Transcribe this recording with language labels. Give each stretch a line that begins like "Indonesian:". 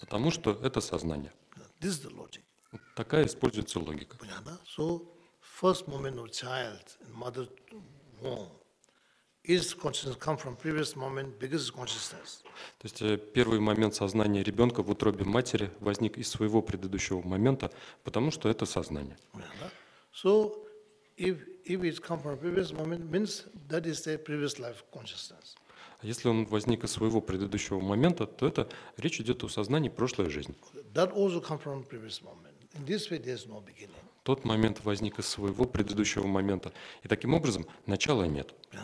Russian: Потому что это сознание.
English: This is the logic.
Russian: Такая используется логика. Понятно?
English: So first moment of child in mother womb is consciousness come from previous moment because it's consciousness.
Russian: То есть первый момент сознания ребенка в утробе матери возник из своего предыдущего момента, потому что это сознание.
English: So if it comes from previous moment means that is the previous life consciousness.
Russian: А если он возник из своего предыдущего момента, то это речь идет о сознании прошлой жизни.
English: That also comes from previous moment. In this way there's no beginning.
Russian: Тот момент возник из своего предыдущего момента, и таким образом начала нет.